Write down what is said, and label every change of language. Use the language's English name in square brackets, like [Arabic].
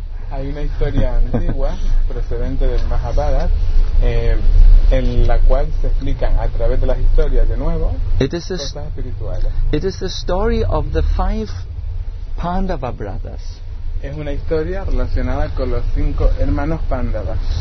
[Spanish] Hay una historia antigua procedente del Mahabharata, en la cual se explican a través de las historias de nuevo cosas espirituales. [English] It is the story of the five Pandava brothers. [Spanish] Es una historia relacionada con los cinco hermanos Pandavas.